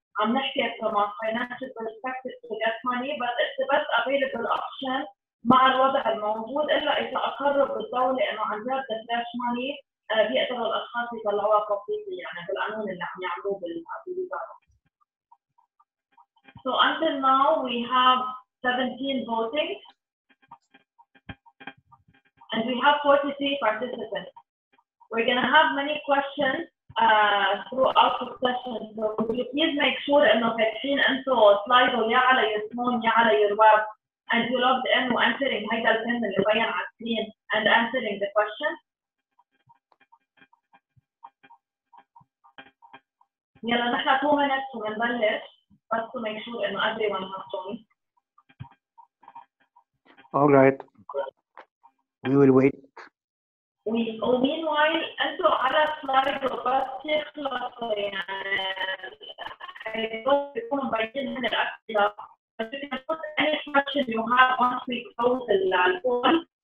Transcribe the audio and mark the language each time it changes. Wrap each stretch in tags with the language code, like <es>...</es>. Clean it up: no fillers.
<en>I'm not here from a financial perspective to get money, but it's the best available option</en> <ar>مع الوضع الموجود الا اذا اقرب بالدولة انه عن جد فلاش ماني بيقدروا الاشخاص يطلعوها بسيطة يعني بالقانون اللي عم يعملوه بالوزارة.</ar> <en>So until now we have 17 voting and we have 43 participants. We're going to have many questions throughout the session. So would you please make sure that you're watching into a slide or you're on your phone, you're on your web, and you logged in and answering this question that you're on your screen and answering the question. We're going to have 2 minutes to finish, just to make sure that everyone has joined. All right. We will wait.</en> <ar>Meanwhile, أنتوا على سلايد بس تخلصوا يعني يكون مبين من الأسئلة.</ar> <en>But you can put any question you have once we close the poll.</en>